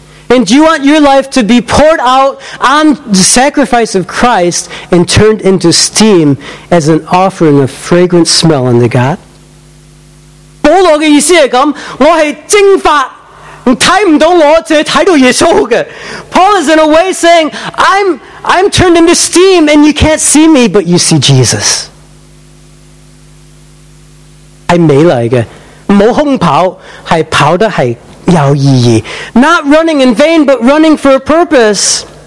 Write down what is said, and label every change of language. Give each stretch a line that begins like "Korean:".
English: And do you want your life to be poured out on the sacrifice of Christ and turned into steam as an offering of fragrant smell unto God?
Chinese: 保罗的意思是这样，我是蒸发，你看不到我，只看到耶稣的。
English: Paul is in a way saying, I'm turned into steam and you can't see me, but you see Jesus.
Chinese: 是美丽的。没空跑,是跑得是有意义。
English: Not running in vain, but running for a purpose.